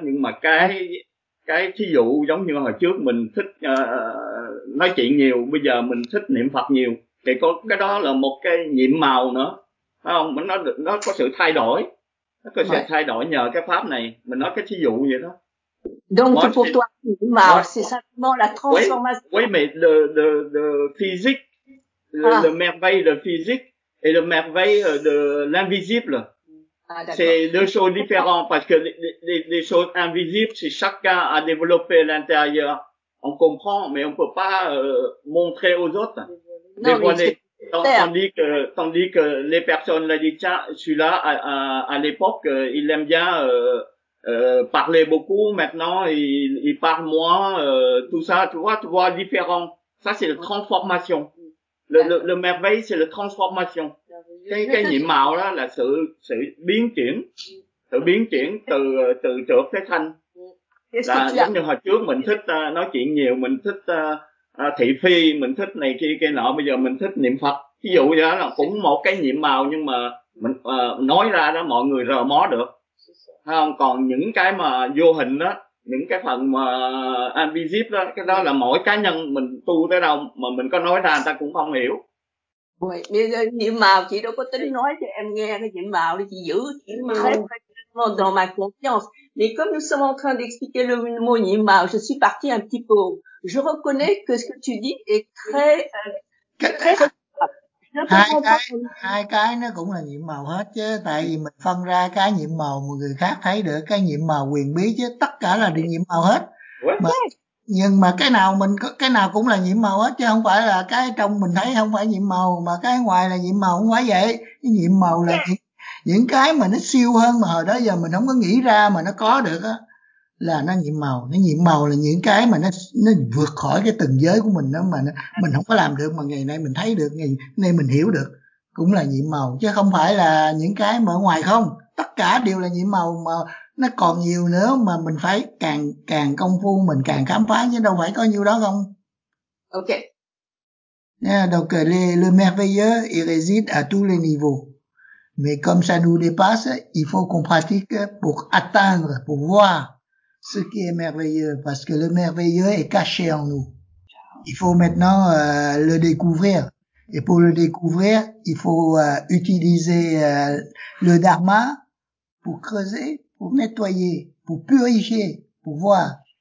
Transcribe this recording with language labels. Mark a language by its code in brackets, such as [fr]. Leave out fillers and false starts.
[vi] Nhưng mà cái thí dụ giống như hồi trước mình thích nói chuyện nhiều, bây giờ mình thích niệm Phật nhiều, thì có cái đó là một cái nhiệm màu nữa, phải không? Nó có sự thay đổi, nó có sự thay đổi nhờ cái pháp này. Mình nói cái thí dụ vậy đó. [fr] Donc moi, pour toi, nhiệm màu c'est simplement la transformation. Oui, mais le physique, le merveille de physique et le merveille de l'invisible, c'est deux choses différentes, parce que les choses invisibles, c'est chacun à développer à l'intérieur. On comprend, mais on peut pas montrer aux autres. Non, dévoiler. Tandis que les personnes l'ont dit, tiens, celui-là, à l'époque, il aime bien parler beaucoup, maintenant, il parle moins, tout ça, tu vois, différent. Ça, c'est la transformation. Le merveille, c'est la transformation. [vi] Cái nhiệm màu đó là sự biến chuyển từ trượt tới thanh. là giống như hồi trước mình thích nói chuyện nhiều, mình thích thị phi, mình thích này kia kia nọ, bây giờ mình thích niệm Phật. Ví dụ như đó là cũng một cái nhiệm màu, nhưng mà mình nói ra đó mọi người rờ mó được. Thấy không? Còn những cái mà vô hình đó, những cái phần mà invisible đó, cái đó là mỗi cá nhân mình tu tới đâu mà mình có nói ra người ta cũng không hiểu. Nhiệm màu chị đâu có tính nói cho em nghe cái nhiệm màu đi, chị giữ [fr] dans ma confiance. Mais comme nous sommes en train d'expliquer le mot nhiệm màu, je suis partie un petit peu. Je reconnais que ce que tu dis est très très [vi] hai cái nó cũng là nhiệm màu hết chứ, tại vì mình phân ra cái nhiệm màu mà người khác thấy được, cái nhiệm màu quyền bí chứ, tất cả là nhiệm màu hết. Mà, nhưng mà cái nào mình có, cái nào cũng là nhiệm màu hết chứ, không phải là cái trong mình thấy không phải nhiệm màu mà cái ngoài là nhiệm màu, không phải vậy. Cái nhiệm màu là những cái mà nó siêu hơn mà hồi đó giờ mình không có nghĩ ra mà nó có được á, là nó nhiệm màu. Nó nhiệm màu là những cái mà nó vượt khỏi cái từng giới của mình đó, mà nó, mình không có làm được mà ngày nay mình thấy được, ngày nay mình hiểu được, cũng là nhiệm màu chứ không phải là những cái mà ở ngoài không. Tất cả đều là nhiệm màu mà nó còn nhiều nữa, mà mình phải càng càng công phu mình càng khám phá chứ đâu phải có nhiêu đó không. [fr] Ok. Donc le merveilleux il réside à tous les niveaux. Mais comme ça nous dépasse, il faut qu'on pratique pour atteindre, pour voir ce qui est merveilleux, parce que le merveilleux est caché en nous. Il faut maintenant le découvrir. Et pour le découvrir, il faut utiliser le dharma pour creuser, pour nettoyer, pour purifier, pour voir.